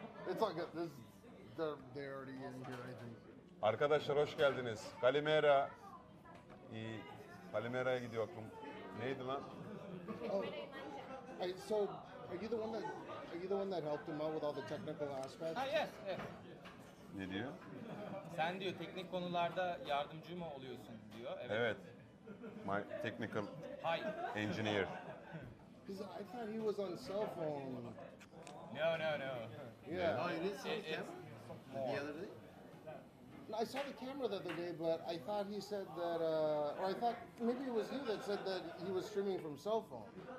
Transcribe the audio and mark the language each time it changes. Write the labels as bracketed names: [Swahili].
[English] It's like this. They're already in here, I think. [Turkish] Arkadaşlar hoş geldiniz. Kalimera. Kalimera'ya gidiyor aklım. Neydi lan? [English] So, are you the one that helped him out with all the technical aspects? Ah, yes. [Turkish] Ne diyor? Sen diyor teknik konularda yardımcı mı oluyorsun diyor. Evet. [English] My technical engineer. Because I thought he was on cell phone. No. Yeah. I saw the camera the other day, but I thought he said that, or I thought maybe it was you that said that he was streaming from cell phone.